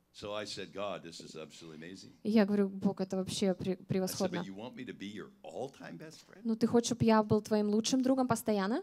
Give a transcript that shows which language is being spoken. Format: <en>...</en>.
<en>So I said, God, this is absolutely amazing.</en> <ru>Я говорю, Бог, это вообще превосходно.</ru> <en>I said, but you want me to be your all-time best friend?</en> <ru>Ну, ты хочешь, чтобы я был твоим лучшим другом постоянно?</ru>